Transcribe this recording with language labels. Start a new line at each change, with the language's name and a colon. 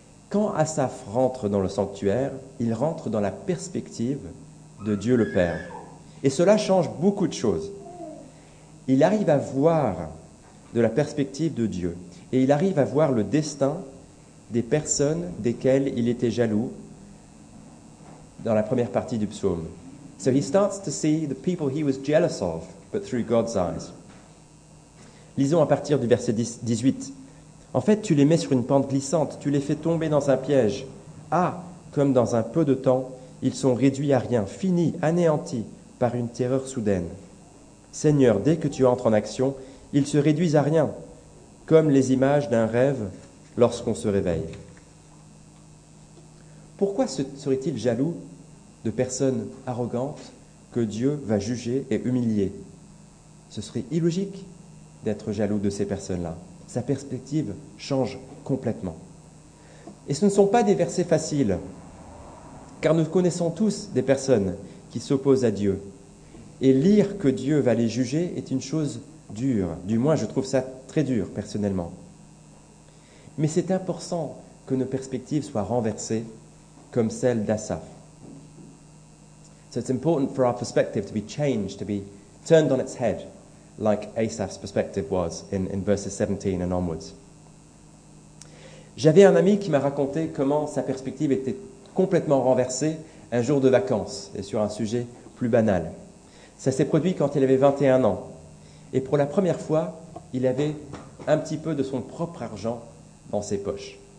French: Quand Asaph rentre dans le sanctuaire, il rentre dans la perspective de Dieu le Père. Et cela change beaucoup de choses. Il arrive à voir de la perspective de Dieu. Et il arrive à voir le destin des personnes desquelles il était jaloux dans la première partie du psaume.
English: So he starts to see the people he was jealous of, but through God's eyes.
French: Lisons à partir du verset 18. En fait, tu les mets sur une pente glissante, tu les fais tomber dans un piège. Ah, comme dans un peu de temps, ils sont réduits à rien, finis, anéantis par une terreur soudaine. Seigneur, dès que tu entres en action, ils se réduisent à rien, comme les images d'un rêve lorsqu'on se réveille. Pourquoi serait-il jaloux de personnes arrogantes que Dieu va juger et humilier? Ce serait illogique d'être jaloux de ces personnes-là. Sa perspective change complètement. Et ce ne sont pas des versets faciles, car nous connaissons tous des personnes qui s'opposent à Dieu. Et lire que Dieu va les juger est une chose dure. Du moins, je trouve ça très dur, personnellement. Mais c'est important que nos perspectives soient renversées, comme celle d'Asaph.
English: So it's important for our perspective to be changed, to be turned on its head, like Asaph's perspective was in verses 17 and onwards.
French: J'avais un ami qui m'a raconté comment sa perspective était complètement renversée un jour de vacances et sur un sujet plus banal. Ça s'est produit quand il avait 21 ans. Et pour la première fois, il avait un petit peu de son propre argent dans ses poches.